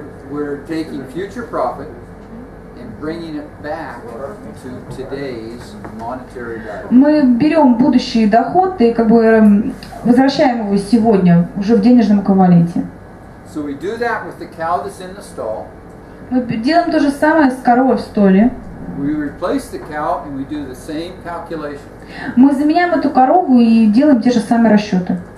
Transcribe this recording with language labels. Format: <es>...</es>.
<en>We're taking future profit and bringing it back to today's monetary value.</en> <ru>Мы берем будущий доход и как бы возвращаем его сегодня уже в денежном эквиваленте.</ru> <en>So we do that with the cow that's in the stall.</en> <ru>Мы делаем то же самое с коровой в стойле.</ru> <en>We replace the cow and we do the same calculation.</en> <ru>Мы заменяем эту корову и делаем те же самые расчеты.</ru>